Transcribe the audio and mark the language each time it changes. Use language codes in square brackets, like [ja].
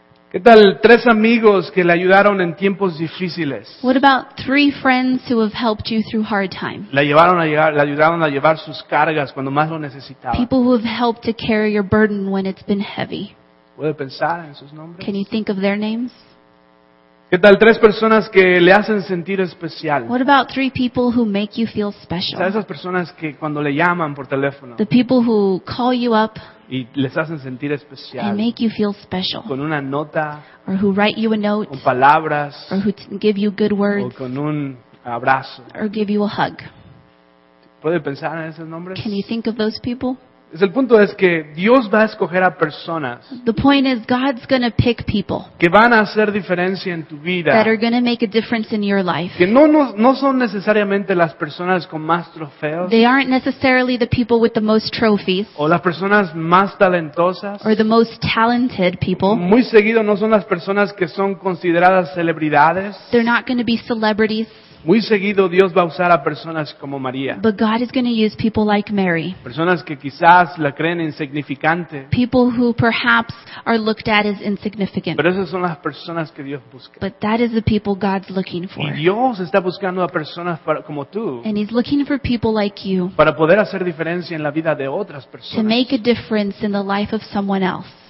[es] ¿Qué tal tres amigos que le ayudaron en tiempos difíciles? [en] What about three friends who have helped you through hard times? [es] Le ayudaron a llevar sus cargas cuando más lo necesitaba. [en] People who have helped to carry your burden when it's been heavy. [es] ¿Puede pensar en sus nombres? [en] Can you think of their names? [es] ¿Qué tal tres personas que le hacen sentir especial? [en] What about three people who make you feel special? [es] Esas personas que cuando le llaman por teléfono. [en] The people who call you up. [es] Y les hacen sentir especial. [en] They make you feel special. [es] Con una nota. [en] Or who write you a note. [es] Con palabras. [en] Or who give you good words. [es] O con un abrazo. [en] Or give you a hug. [es] ¿Puede pensar en esos nombres? [en] Can you think of those people? [es] El punto es que Dios va a escoger a personas. [en] The point is God's going to pick people. [es] Que van a hacer diferencia en tu vida. [en] That are going to make a difference in your life. [es] Que no son necesariamente las personas con más trofeos. [en] They aren't necessarily the people with the most trophies. [es] O las personas más talentosas. [en] Or the most talented people. [es] Muy seguido no son las personas que son consideradas celebridades. [en] They're not going to be celebrities. [es] Muy seguido Dios va a usar a personas como María. [en] But God is going to use people like Mary. [es] Personas que quizás la creen insignificante. [en] People who perhaps are looked at as insignificant. [es] Pero esas son las personas que Dios busca. [en] But that is the people God's looking for. [es] Y Dios está buscando a personas como tú. [en] And he's looking for people like you. [es] Para poder hacer diferencia en la vida de otras personas. [en] To make a difference in the life of someone else.